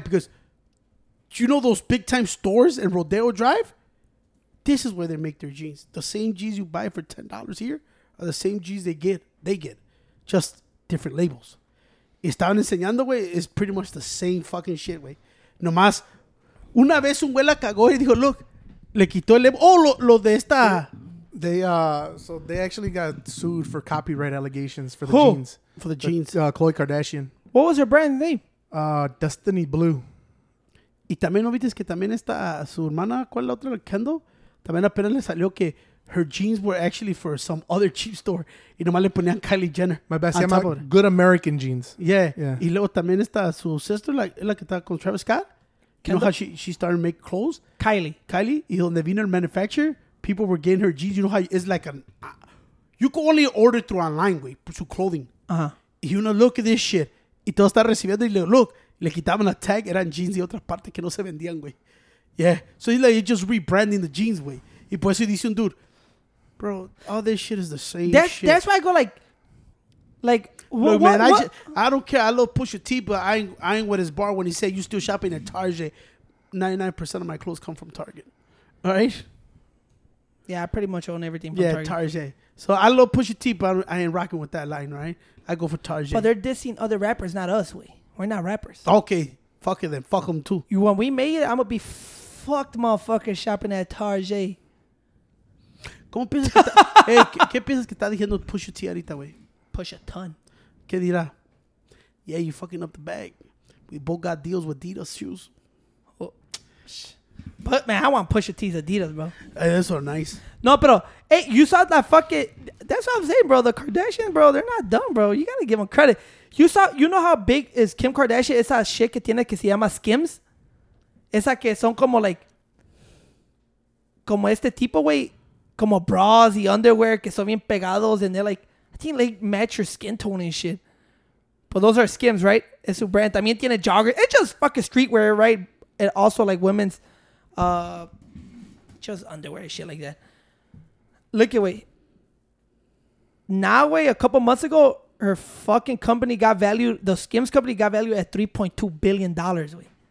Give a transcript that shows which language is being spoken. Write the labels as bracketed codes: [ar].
[en] Because do you know those big time stores in Rodeo Drive? This is where they make their jeans. The same jeans you buy for $10 here are the same jeans they get. Just different labels. [es] Están enseñando, güey. [en] It's pretty much the same fucking shit, güey. [es] Nomás, una vez un güey la cagó y dijo, look, le quitó el label. Oh, lo de esta. [en] They actually got sued for copyright allegations for the jeans. For the jeans. Khloe Kardashian. What was her brand name? Destiny Blue. [es] Y también, ¿no viste que también está su hermana? ¿Cuál es la otra? Kendall. También apenas le salió que [en] her jeans were actually for some other cheap store. [es] Y nomás le ponían Kylie Jenner. My best. Se llama Good American Jeans. [en] Yeah. [es] Y luego también está su sister, la que está con Travis Scott. [en] Kendall? You know how she started to make clothes? Kylie. [es] Y donde vino el [en] manufacturer, people were getting her jeans. You know how it's like you can only order through online, güey, por su clothing. Uh-huh. [es] Y uno, [en] look at this shit. [es] Y todo está recibiendo. Y le digo, look, le quitaban la tag. Eran jeans de otra parte que no se vendían, güey. [en] Yeah, so he's like, you're just rebranding the jeans, way. [es] Y por eso dice un [en] dude, bro, all this shit is the same shit. That's why I go like look, what, man, what? I don't care. I love Pusha T, but I ain't with his bar when he said you still shopping at Target. 99% of my clothes come from Target. All right? Yeah, I pretty much own everything from Target. Yeah, Target. So I love Pusha T, but I ain't rocking with that line, right? I go for Target. But they're dissing other rappers, not us, way. We're not rappers. Okay. Fuck it then. Fuck them too. You want we made it? I'm gonna be fucked, motherfucker, shopping at Target. [es] ¿Cómo piensas que está? Hey, ¿qué piensas que está diciendo Pusha T ahorita, güey? [en] Push a ton. [es] ¿Qué dirá? [en] Yeah, you fucking up the bag. We both got deals with Adidas shoes. Oh. But man, I want Pusha T's Adidas, bro. Hey, those are nice. No, pero hey, you saw that fucking. That's what I'm saying, bro. The Kardashians, bro, they're not dumb, bro. You gotta give them credit. You know how big is Kim Kardashian? [es] Esa shit que tiene que se llama Skims. Esa que son como like, como este tipo, güey. Como bras y underwear que son bien pegados. [en] And they're like, I think they match your skin tone and shit. But those are Skims, right? [es] Es su brand. También tiene joggers. [en] It's just fucking streetwear, right? And also like women's chichos, underwear, shit like that. Look, wait. Now, wait, a couple months ago, her fucking company got valued, the Skims company got valued at $3.2 billion, wait.